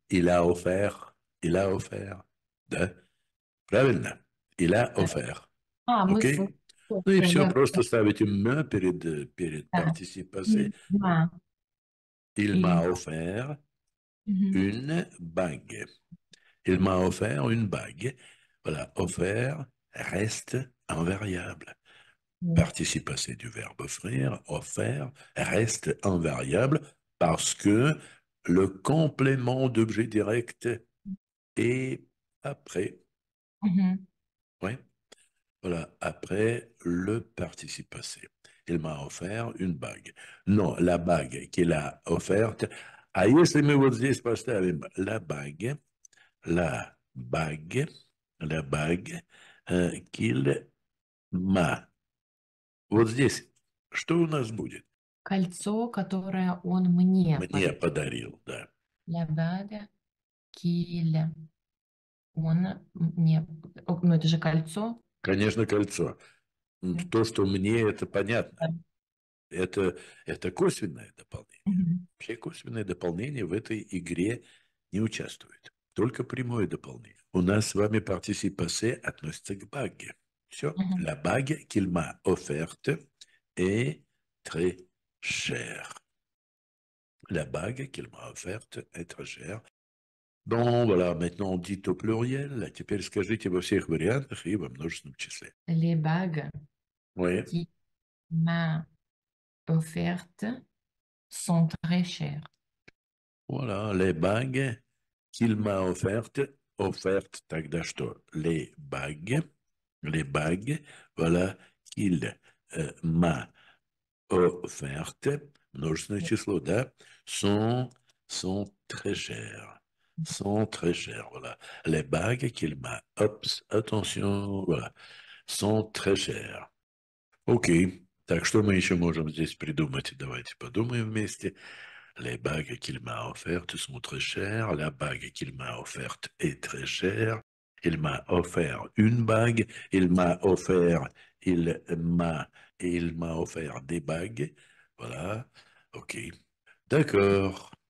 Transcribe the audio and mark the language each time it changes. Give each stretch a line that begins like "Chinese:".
French: Il a offert,
Russian: да? Правильно,
French: il a offert, Ah, ok? monsieur.
Russian: Ну и все, просто ставите main перед participe passé.
French: Il Il m'a offert une bague. Il m'a offert une bague. Voilà, offert. Reste invariable. Participe passé du verbe offrir, offert, reste invariable parce que le complément d'objet direct est après. Oui. Voilà, après le participe passé. Il m'a offert une bague. Non, la bague qu'il a offerte. Ah,
Russian: если мы вот здесь поставим
French: la bague, la bague, la bague. Qu'il m'a.
Russian: Вот здесь, что у нас будет? Кольцо, которое он мне Мне подарил. подарил, да.
French: La bague qu'il
Russian: он мне. О, ну это же кольцо. Конечно, кольцо. То, что мне, это понятно. Это косвенное дополнение. Вообще косвенное дополнение в этой игре не участвует. Только прямое дополнение. У нас с вами participe passé относится к bague. Все.
French: La bague qu'il m'a offerte est très chère. La bague qu'il m'a offerte est très chère. Bon, voilà, maintenant dites au pluriel.
Russian: Теперь скажите во всех вариантах и во множественном числе.
French: Les bagues Oui. qui m'a offerte sont très chères. Voilà, les bagues qu'il m'a offertes.
Russian: Offerte, тогда что?
French: Les bagues, voilà, qu'il m'a offerte,
Russian: множественное число, да,
French: sont très chères. Sont très chères, voilà. Les bagues qu'il m'a, ops, attention, voilà, sont très chères.
Russian: Ok, так что мы еще можем здесь придумать? Давайте подумаем вместе.
French: Les bagues qu'il m'a offertes sont très chères. La bague qu'il m'a offerte est très chère. Il m'a offert une bague. Il m'a offert des bagues. Voilà. OK. D'accord.